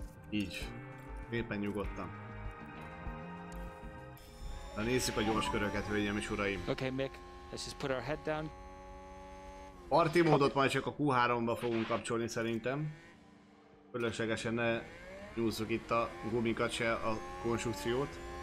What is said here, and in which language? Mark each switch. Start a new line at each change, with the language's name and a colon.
Hungarian: Így. Éppen nyugodtan. Na nézzük a gyors köröket, hölgyeim és uraim.
English: Okay, Mick, let's just put our head down.
Hungarian: Party módot majd csak a Q3-ba fogunk kapcsolni szerintem. Fölöslegesen ne nyúzzuk itt a gumikat se a konstrukciót.